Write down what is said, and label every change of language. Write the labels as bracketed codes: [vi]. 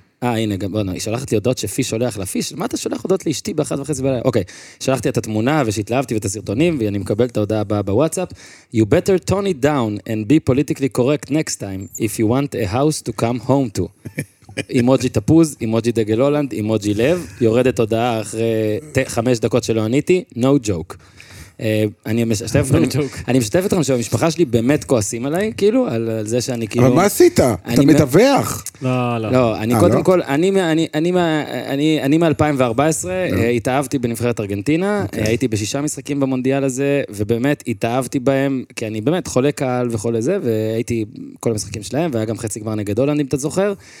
[he] הנה, בוא, היא שלחת לי הודעות שפיש הולך לפיש. מה אתה שולח הודעות לאשתי באחת וחצי בלילה? אוקיי, שלחתי את התמונה ושהתלהבתי ואת הסרטונים, ואני מקבל את ההודעה הבאה בוואטסאפ. [en] You better tone it down and be politically correct next time if you want a house to come home to. [he] אימוג'י תפוז, אימוג'י דגל הולנד, אימוג'י לב, יורדת הודעה אחרי 5 דקות שלא עניתי, [en] no joke. [he] אני משתף אתכם שהמשפחה שלי באמת כועסים עליי, כאילו, על זה שאני כאילו... אבל מה עשית? אתה מדווח? לא. לא, אני קודם כל, אני מ-2014, התאהבתי בנבחרת ארגנטינה, הייתי ב6 משחקים במונדיאל הזה, ובאמת התאהבתי בהם, כי אני באמת חולה קהל וכל זה, והייתי כל המשחקים שלהם, והיה גם חצי גמר נגד הולנד, אם אתה זוכר.